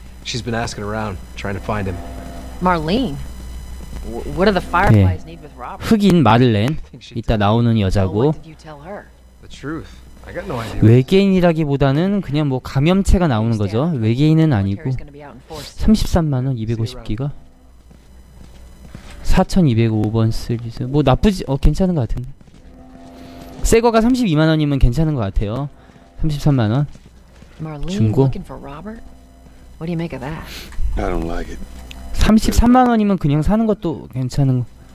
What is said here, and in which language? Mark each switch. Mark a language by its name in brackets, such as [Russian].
[English] She's been asking around, trying to find him. Marlene? What do the Fireflies need with Robert? [Korean] 흑인 마들렌. 이따 나오는 여자고. [English] The truth. I got no idea. [Korean] 외계인이라기보다는 그냥 뭐 감염체가 나오는 거죠. 외계인은 아니고. 33만원, 250기가. 4205번 쓰리즈. 뭐 나쁘지, 괜찮은 것 같은데. 새 거가 32만원이면 괜찮은 것 같아요. 33만원. [English] Marlene, looking for Robert? What do you make of that? I don't like it. [Korean] 33만 원이면 그냥 사는 것도 괜찮은 거.